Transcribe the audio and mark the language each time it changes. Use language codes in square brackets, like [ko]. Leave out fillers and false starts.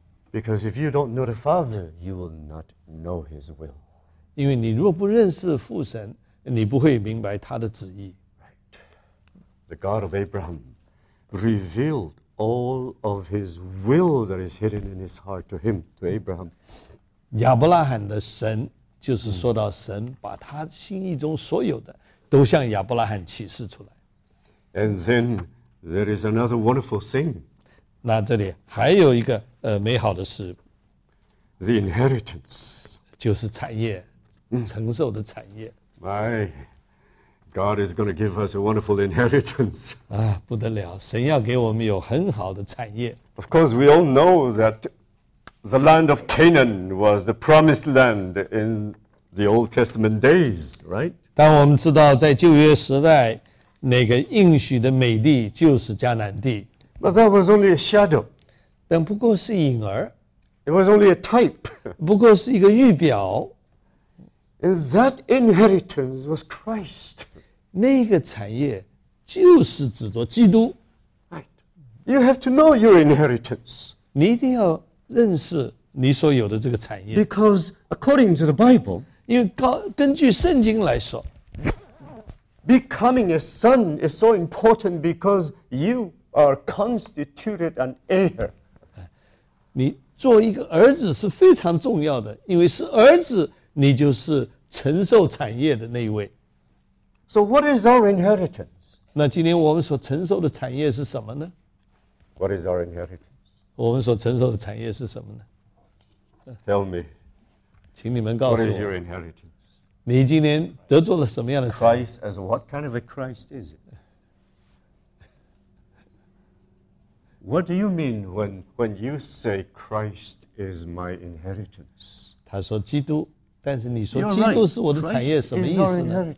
[en] Because if you don't know the Father, you will not know His will. [zh] 因为你若不认识父神，你不会明白他的旨意。 [en] The God of Abraham revealed all of His will that is hidden in His heart to him, to Abraham. [zh] 亚伯拉罕的神就是说到神把他心意中所有的都向亚伯拉罕启示出来。 [en] And then there is another wonderful thing. [zh] 那这里还有一个美好的事。 [en] The inheritance. [zh] 就是产业，承受的产业。 [en] My. God is going to give us a wonderful inheritance. [zh] 啊，不得了！神要给我们有很好的产业。 [en] Of course, we all know that the land of Canaan was the promised land in the Old Testament days, right? [zh] 但我们知道，在旧约时代，那个应许的美地就是迦南地。 [en] But that was only a shadow. [zh] 但不过是影儿。 [en] It was only a type. [zh] 不过是一个预表。 [en] And that inheritance was Christ. [zh] 那个产业就是指着基督。 [en] Right. You have to know your inheritance. [zh] 你一定要认识你所有的这个产业。 [en] Because according to the Bible, [zh] 因为根据圣经来说 [en] becoming a son is so important because you are constituted an heir. [zh] 你做一个儿子是非常重要的，因为是儿子你就是承受产业的那一位。 [en] So what is our inheritance? [zh] 那今天我们所承受的产业是什么呢？ [en] What is our inheritance? [zh] 我们所承受的产业是什么呢？ [en] Tell me. [zh] 请你们告诉我。 [en] What is your inheritance? [zh] 你今天得做了什么样的产业？ [en] Christ as what kind of a Christ is it? What do you mean when you say Christ is my inheritance? [zh] 他说基督。但是你说基督是我的产业，什么意思呢？